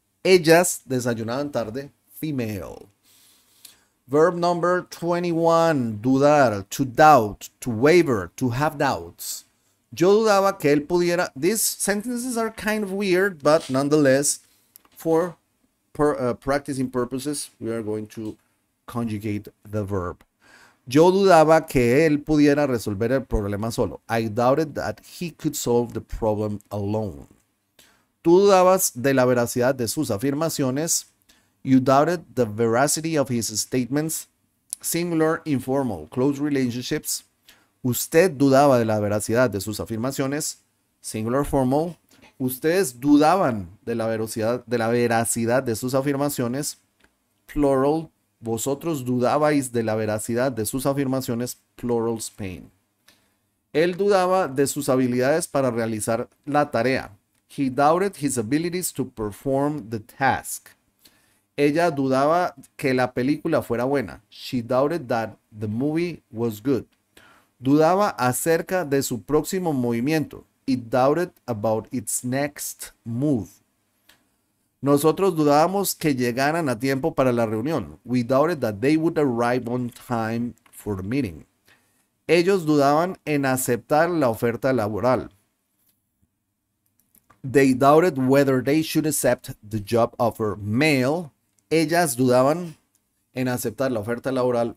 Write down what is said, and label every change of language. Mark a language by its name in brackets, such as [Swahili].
[Spanish] Ellas desayunaban tarde. [English] Female. Verb number 21. Dudar. To doubt. To waver. To have doubts. [Spanish] Yo dudaba que él pudiera. [English] These sentences are kind of weird, but nonetheless, for practicing purposes, we are going to conjugate the verb. [Spanish] Yo dudaba que él pudiera resolver el problema solo. [English] I doubted that he could solve the problem alone. [Spanish] Tú dudabas de la veracidad de sus afirmaciones. [English] You doubted the veracity of his statements. Singular, informal, close relationships. [Spanish] Usted dudaba de la veracidad de sus afirmaciones. [English] Singular, formal. [Spanish] Ustedes dudaban de la veracidad de sus afirmaciones. Plural. Vosotros dudabais de la veracidad de sus afirmaciones. Plural, Spain. Él dudaba de sus habilidades para realizar la tarea. [English] He doubted his abilities to perform the task. [Spanish] Ella dudaba que la película fuera buena. [English] She doubted that the movie was good. [Spanish] Dudaba acerca de su próximo movimiento. [English] It doubted about its next move. [Spanish] Nosotros dudábamos que llegaran a tiempo para la reunión. [English] We doubted that they would arrive on time for the meeting. [Spanish] Ellos dudaban en aceptar la oferta laboral. [English] They doubted whether they should accept the job offer. [Spanish] Male. Ellas dudaban en aceptar la oferta laboral.